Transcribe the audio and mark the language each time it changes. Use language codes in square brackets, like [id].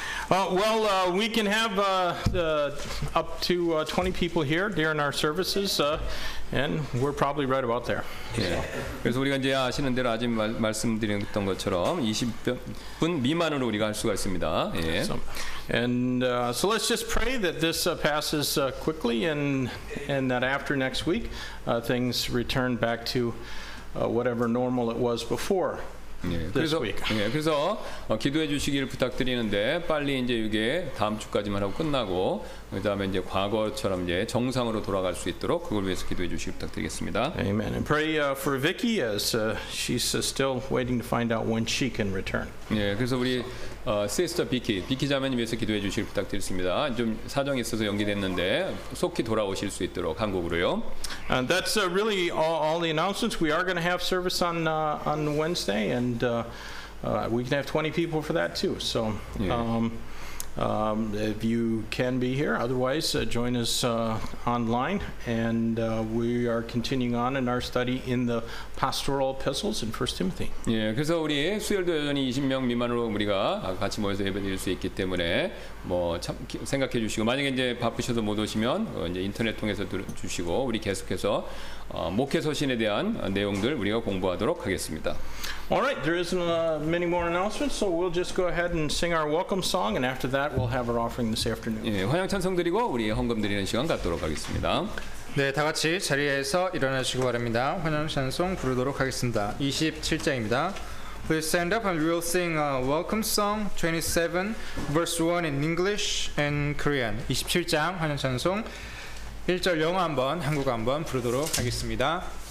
[en] We can have up to 20 people here during our services, and we're probably right about there. [ko] 예. 그래서 우리가 이제 아시는 대로 아침 말씀드렸던 것처럼 20분 미만으로 우리가 할 수가 있습니다. 예. [en] So let's just pray that this passes quickly, and that after next week, things return back to whatever normal it was before. [ko] 예, 그래서 예, 그래서 기도해 주시기를 부탁드리는데 빨리 이제 이게 다음 주까지만 하고 끝나고 그다음에 이제 과거처럼 이제 정상으로 돌아갈 수 있도록 그걸 위해서 기도해 주시기 부탁드리겠습니다. [en] Amen. And pray for Vicky as she's still waiting to find out when she can return. [ko] 예, 그래서 우리 시스터 비키, 비키 자매님 위해서 기도해 주시기 부탁드렸습니다. 좀 사정이 있어서 연기됐는데 속히 돌아오실 수 있도록 한국으로요. [en] And that's really all the announcements. We are going to have service on Wednesday, and we can have 20 people for that too. So, if you can be here, otherwise join us online. And we are continuing on in our study in the pastoral epistles in 1 Timothy. [ko] 예, 그래서 우리 수요일도 여전히 20명 미만으로 우리가 같이 모여서 예배드릴 수 있기 때문에 뭐 참 생각해 주시고 만약에 이제 바쁘셔서 못 오시면 이제 인터넷 통해서 주시고 우리 계속해서 목회 서신에 대한 내용들 우리가 공부하도록 하겠습니다. [en] All right, there isn't many more announcements, so we'll just go ahead and sing our welcome song, and after that, we'll have our offering this afternoon. [ko] 예, 환영 찬송 드리고 우리 헌금 드리는 시간 갖도록 하겠습니다. 네, 다 같이 자리에서 일어나시기 바랍니다. 환영 찬송 부르도록 하겠습니다. 27장입니다. [en] Please stand up and we'll sing a welcome song, 27, verse 1 in English and Korean. [ko] 27장 환영 찬송 1절 영어 한번, 한국어 한번 부르도록 하겠습니다.